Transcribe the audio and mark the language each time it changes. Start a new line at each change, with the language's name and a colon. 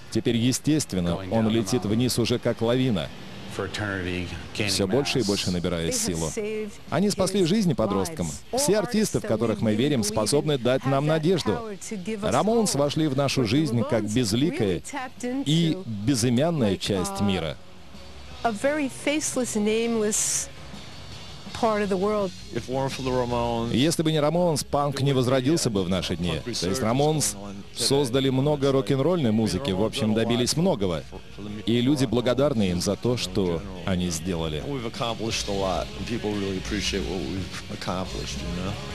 Russian: Теперь, естественно, он летит вниз уже как лавина, все больше и больше набирая силу. Они спасли жизни подросткам. Все артисты, в которых мы верим, способны дать нам надежду. Рамоунс вошли в нашу жизнь как безликая и безымянная часть мира.
English: A very faceless, nameless part of the world. If it weren't for the Ramones,
Russian: если бы не Рамоунс, панк не возродился бы в наши дни. То есть Рамоунс создали много рок-н-ролльной музыки, в общем, добились многого. И люди благодарны им за то, что они сделали.
English: We've accomplished a lot, and people really appreciate what we've accomplished, you know?